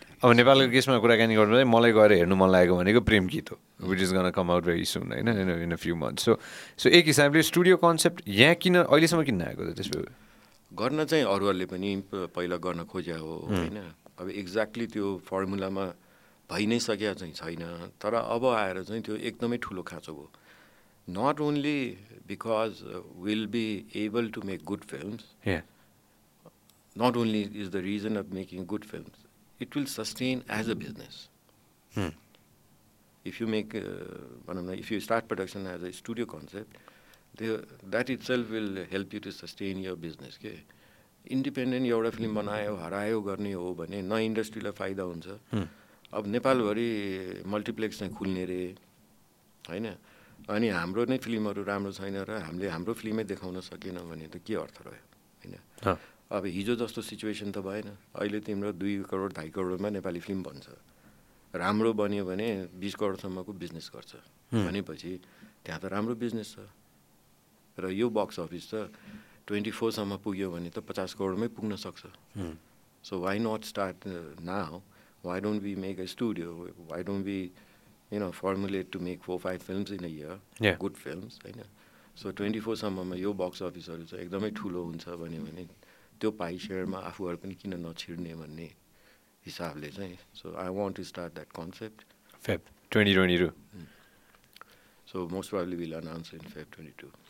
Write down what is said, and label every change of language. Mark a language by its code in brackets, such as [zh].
[ne] अब नेपालको केसमा कुराकानी गर्नु चाहिँ मलाई गएर हेर्नु मन लागेको भनेको प्रेम गीत हो, [en] which is gonna come out very soon, [ne] होइन, [en] In a few months. [ne] So एक हिसाबले स्टुडियो कन्सेप्ट यहाँ किन अहिलेसम्म किन आएको छ त्यसो गर्न चाहिँ अरूहरूले पनि पहिला गर्न खोज्या हो, होइन. अब एक्ज्याक्टली त्यो फर्मुलामा भइ नै सकेका चाहिँ छैन, तर अब आएर चाहिँ त्यो एकदमै ठुलो खाँचो हो. [en] Not only because will be able to make good films, not only is the reason of making good films, it will sustain as a business. If you make [ne] भनौँ न, [en] If you start production as a studio concept, that itself will help you to sustain your business. [ne] के independent एउटा film बनायो हरायो गर्ने हो भने न इन्डस्ट्रीलाई फाइदा हुन्छ. अब नेपालभरि मल्टिप्लेक्स चाहिँ खुल्ने रे, होइन, अनि हाम्रो नै फिल्महरू राम्रो छैन र हामीले हाम्रो फिल्मै देखाउन सकेनौँ भने त के अर्थ रह्यो, होइन. अब हिजो जस्तो सिचुएसन त भएन, अहिले तिम्रो 2-2.5 करोडमा नेपाली फिल्म बन्छ, राम्रो बन्यो भने 20 करोडसम्मको बिजनेस गर्छ, भनेपछि त्यहाँ त राम्रो बिजनेस छ. र यो बक्स अफिस त 24 पुग्यो भने त 50 करोडमै पुग्न सक्छ. [en] so why not start now, why don't we make a studio, why don't we you know formulate to make 4-5 films in a year, good films, [ne] होइन. सो 24 यो बक्स अफिसहरू चाहिँ एकदमै ठुलो हुन्छ भन्यो भने त्यो पाइ सेयरमा आफूहरू पनि किन नछिर्ने भन्ने हिसाबले चाहिँ, [en] So I want to start that concept February 2022. So most probably will announce in February 2022.